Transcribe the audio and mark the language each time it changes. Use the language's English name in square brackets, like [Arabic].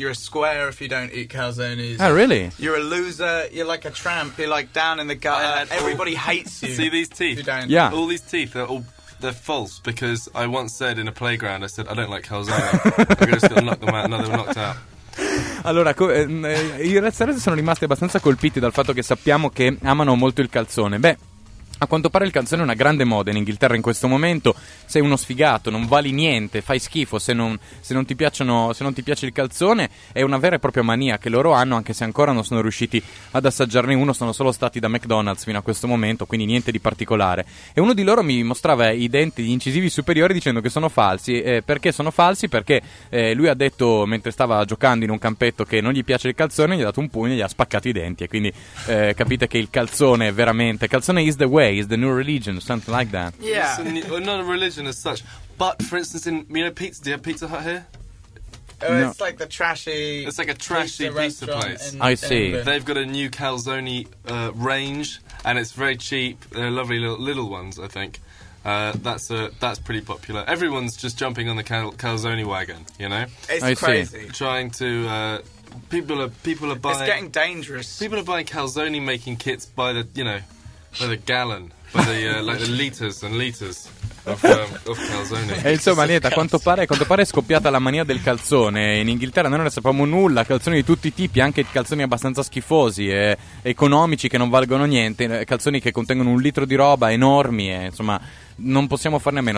[English] You're a square if you don't eat calzones. Oh, really? You're a loser. You're like a tramp. You're like down in the gutter. Everybody hates you. See these teeth? You don't. Yeah. All these teeth are all they're false, because I once said in a playground, I said, I don't like calzone. I'm just going to knock them out, and now they're knocked out. [Italian] Allora, i razzaresi sono rimasti abbastanza colpiti dal fatto che sappiamo che amano molto il calzone. Beh, a quanto pare il calzone è una grande moda in Inghilterra in questo momento. Sei uno sfigato, non vali niente, fai schifo se non ti piace il calzone. È una vera e propria mania che loro hanno, anche se ancora non sono riusciti ad assaggiarne uno. Sono solo stati da McDonald's fino a questo momento, quindi niente di particolare. E uno di loro mi mostrava i denti, gli incisivi superiori, dicendo che sono falsi. Perché sono falsi? Perché lui ha detto, mentre stava giocando in un campetto, che non gli piace il calzone, gli ha dato un pugno e gli ha spaccato i denti. E quindi capite che il calzone è veramente... [English] calzone is the way. Is the new religion, something like that. Yeah. Well, not a religion as such, but for instance, in, you know, pizza, do you have Pizza Hut here? Oh, no. It's like the trashy... it's like a trashy pizza place. I see. They've got a new calzone range, and it's very cheap. They're lovely little ones, I think. That's pretty popular. Everyone's just jumping on the calzone wagon, you know? It's crazy. Trying to... People are buying... it's getting dangerous. People are buying calzone-making kits by the, you know... by the gallon, by the like the liters and liters of calzone. [Italian] E insomma, niente, a quanto pare è scoppiata la mania del calzone in Inghilterra. Noi non ne sappiamo nulla, calzoni di tutti i tipi, anche calzoni abbastanza schifosi e economici che non valgono niente, calzoni che contengono un litro di roba enormi e insomma non possiamo farne a meno.